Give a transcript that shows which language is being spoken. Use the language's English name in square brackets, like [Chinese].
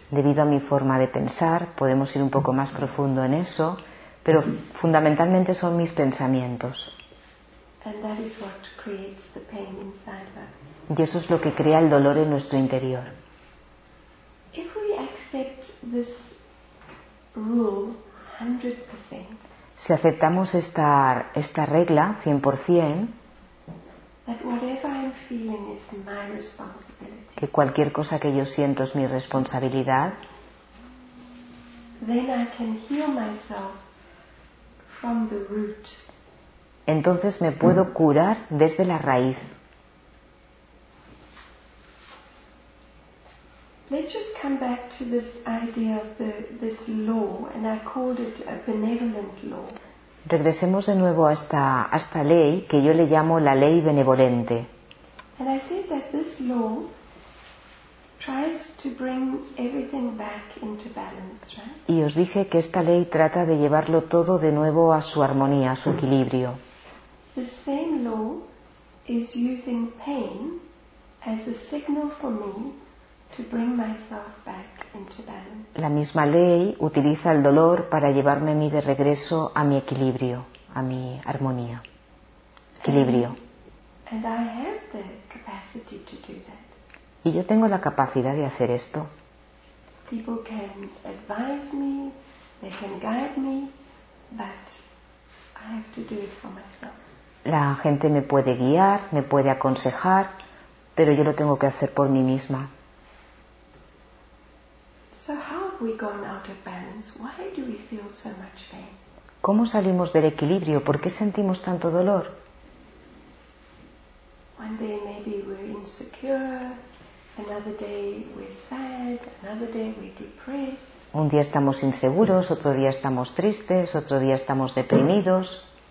[Spanish] Debido a mi forma de pensar, podemos ir un poco más profundo en eso, pero fundamentalmente son mis pensamientos. [English] And that is what creates the pain inside us. [Spanish] Y eso es lo que crea el dolor en nuestro interior. [English] If we accept this rule 100%, [Spanish] si aceptamos esta regla 100%, [English] that whatever I'm feeling is my responsibility, [Spanish] que cualquier cosa que yo siento es mi responsabilidad, [English] then I can heal myself from the root. [Spanish] Entonces me puedo curar desde la raíz. [English] Let's just come back to this idea of this law, and I called it a benevolent law. [Spanish] Regresemos de nuevo a esta ley que yo le llamo la ley benevolente. [English] And I said that this law tries to bring everything back into balance, right? [Spanish] Y os dije que esta ley trata de llevarlo todo de nuevo a su armonía, a su equilibrio. [English] The same law is using pain as a signal for me to bring myself back into balance. [Spanish] La misma ley utiliza el dolor para llevarme a mí de regreso a mi equilibrio, a mi armonía. Equilibrio. [English] And I have the capacity to do that. [Spanish] Y yo tengo la capacidad de hacer esto. [English] People can advise me, they can guide me, but I have to do it for myself. [Spanish] La gente me puede guiar, me puede aconsejar, pero yo lo tengo que hacer por mí misma. [English] So how have we gone out of balance? Why do we feel so much pain? [Spanish] ¿Cómo salimos del equilibrio? ¿Por qué sentimos tanto dolor? [English] One day maybe we're insecure, another day we're sad, another day we're depressed. [Spanish] Un día estamos inseguros, otro día estamos tristes, otro día estamos deprimidos.